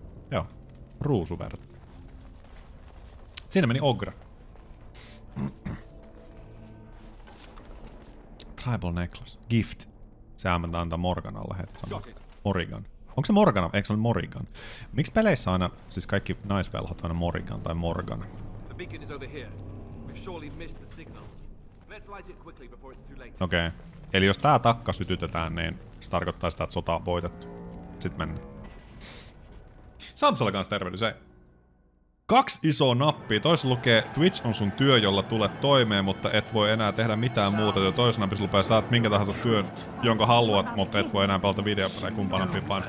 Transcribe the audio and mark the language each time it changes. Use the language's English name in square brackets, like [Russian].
[Finnish] Joo. Ruusuverta. Siinä meni Ogre. [English] Tribal necklace. Gift. [Finnish] Se ammentaa antaa Morganalle heti samalla. Morrigan. Onko se Morgana? Eikö se ole Morrigan? Miksi peleissä aina, siis kaikki naisvelhot aina Morrigan tai Morgan? [English] The beacon is over here. We've surely missed the signal. Let's light it quickly before it's too late. [Finnish] Okei. Eli jos tää takka sytytetään, niin se tarkoittaa sitä, että sota on voitettu. Sit mennään. Samsalla kanssa tervehdys, ei. Kaksi isoa nappia. Toisessa lukee, Twitch on sun työ, jolla tulet toimeen, mutta et voi enää tehdä mitään muuta. Ja toisessa nappissa lupee, saat minkä tahansa työn, jonka haluat, mutta et voi enää pelata videopelejä kumpaan nappiin painaa.